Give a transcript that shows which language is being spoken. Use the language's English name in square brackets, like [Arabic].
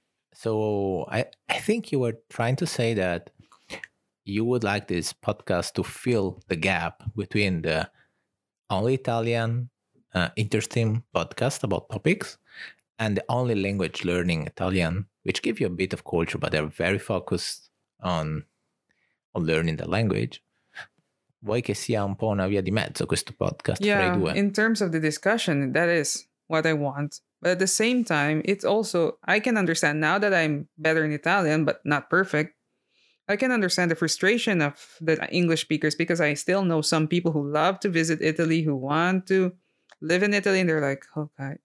[English] I think you were trying to say that you would like this podcast to fill the gap between the only Italian interesting podcast about topics and the only language learning Italian, which give you a bit of culture, but they're very focused on learning the language. [Italian] Vuoi che sia un po' una via di mezzo questo podcast? [English] Yeah, [Italian] fra I due? [English] In terms of the discussion, that is what I want. But at the same time, it's also, I can understand now that I'm better in Italian, but not perfect, I can understand the frustration of the English speakers, because I still know some people who love to visit Italy, who want to live in Italy, and they're like, okay.